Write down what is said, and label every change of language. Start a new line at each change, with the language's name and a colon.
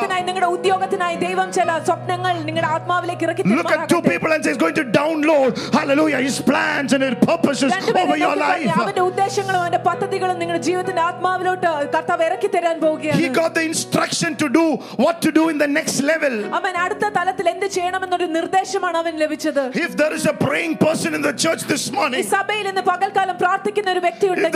Malayalam: നിങ്ങളുടെ ഉദ്യോഗത്തിനായി ദൈവം ചില സ്വപ്നങ്ങൾ നിങ്ങളുടെ ആത്മാവിലേക്ക് ഇറക്കി
English: തരും Look at two people and says going to download hallelujah his plans and his purposes over your life
Malayalam: അവന്റെ ഉദ്ദേശങ്ങളും അവന്റെ പദ്ധതികളും നിങ്ങളുടെ ജീവിതത്തിന്റെ ആത്മാവിലോട്ട് കർത്താവ് ഇറക്കി തരാൻ പോവുകയാണ്
English: He got the instruction to do what to do in the next level
Malayalam: അവൻ അടുത്ത തലത്തിൽ എന്ത് ചെയ്യണം എന്നൊരു നിർദ്ദേശമാണ് അവൻ ലഭിച്ചത്
English: If there is a praying person in the church this morning
Malayalam: ഈ സഭയിൽ ഇന്ന് പകൽക്കാലം പ്രാർത്ഥിക്കുന്ന ഒരു വ്യക്തി ഉണ്ടെങ്കിൽ